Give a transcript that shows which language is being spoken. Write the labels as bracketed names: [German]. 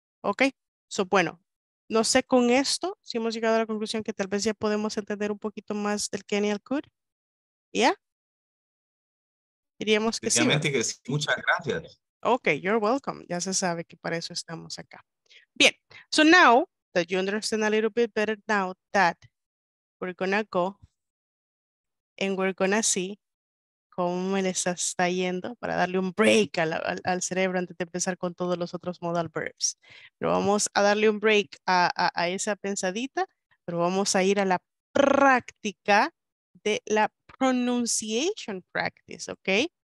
[Spanish] Ok, so bueno, no sé con esto si hemos llegado a la conclusión que tal vez ya podemos entender un poquito más del Kenial Could. ¿Ya? Diríamos que sí. Obviamente que sí. Muchas gracias. [English] Ok, you're welcome. [Spanish] Ya se sabe que para eso estamos acá. [English] Bien, so now that you understand a little bit better now that we're gonna go and we're gonna see [Spanish] cómo me les está yendo para darle un break al cerebro antes de empezar con todos los otros modal verbs. Pero vamos a darle un break a esa pensadita, pero vamos a ir a la práctica de la [English] pronunciation practice, [Spanish] ¿ok?